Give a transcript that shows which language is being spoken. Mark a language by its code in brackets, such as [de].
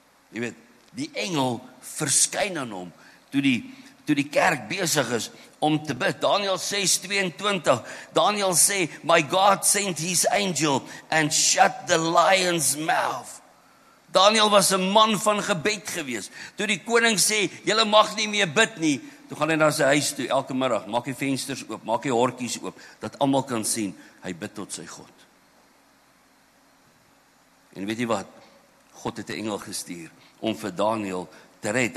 [af] Jy weet, die engel verskyn aan hom toe die kerk besig is om te bid. Daniel 6:22. [en] Daniel sê, my God sent his angel and shut the lion's mouth. [af] Daniel was 'n man van gebed gewees. Toe die koning sê, julle mag nie meer bid nie, toe gaan hy na sy huis toe elke middag, maak die vensters oop, maak die hortjies oop, dat almal kan sien, hy bid tot sy God. En weet jy wat? God het 'n engel gestuur om vir Daniel te red.